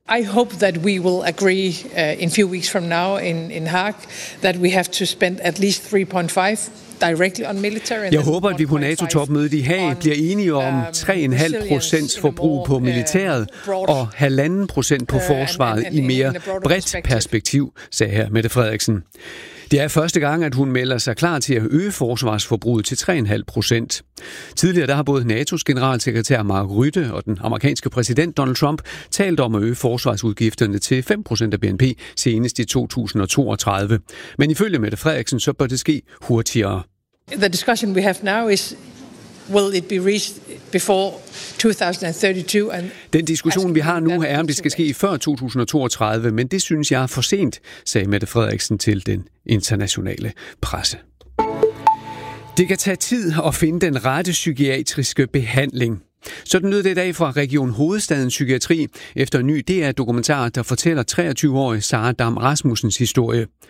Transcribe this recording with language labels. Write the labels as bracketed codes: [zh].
[en] I hope that we will agree in few weeks from now in Haag that we have to spend at least 3.5 directly on military. [da] Jeg håber, at vi på NATO-topmødet i Haag bliver enige om 3,5% forbrug på militæret og 1,5% på forsvaret i mere bredt perspektiv, sagde her Mette Frederiksen. Det er første gang, at hun melder sig klar til at øge forsvarsforbruget til 3,5%. Tidligere der har både NATO's generalsekretær Mark Rutte og den amerikanske præsident Donald Trump talt om at øge forsvarsudgifterne til 5% af BNP senest i 2032. Men ifølge Mette Frederiksen, så bør det ske hurtigere. [en] The discussion we have now is, will it be reached before 2032? And [da] den diskussion, vi har nu, er, om det skal ske før 2032, men det synes jeg er for sent, sagde Mette Frederiksen til den internationale presse. Det kan tage tid at finde den rette psykiatriske behandling. Sådan lød det i dag fra Region Hovedstadens Psykiatri efter en ny DR-dokumentar, der fortæller 23-årige Sara Dam Rasmussens historie.